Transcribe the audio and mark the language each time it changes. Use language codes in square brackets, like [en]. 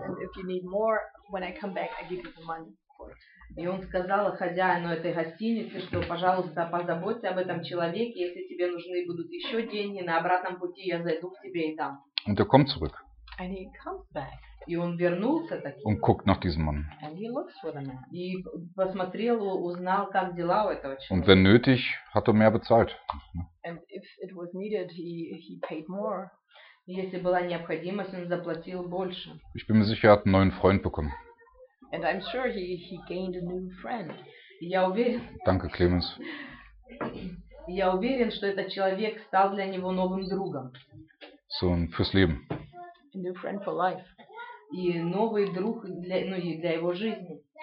[en] And if you need more, when I come back, I give you the money. [ru] И он сказал хозяину этой гостиницы, что, пожалуйста, позаботься об этом человеке, если тебе нужны будут еще деньги, на обратном пути я зайду к тебе и дам. [de] Und er kommt zurück. [en] And he comes back. [ru] И он вернулся таким. [de] Und guckt nach diesem Mann. [en] And he looks for the man. [ru] И посмотрел, узнал, как дела у этого человека. [de] Und wenn nötig, hat mehr bezahlt. [en] And if it was needed, he paid more. [ru] Если была необходимость, он заплатил больше. [de] Ich bin mir sicher, er hat einen neuen Freund bekommen. [en] And I'm sure he gained a new friend. [ru] Я уверен. [de] Danke, Clemens. [ru] Я уверен, что этот человек стал для него новым другом. [de] So, fürs Leben. [en] A new friend for life. [ru] И новый друг для, ну, для его жизни.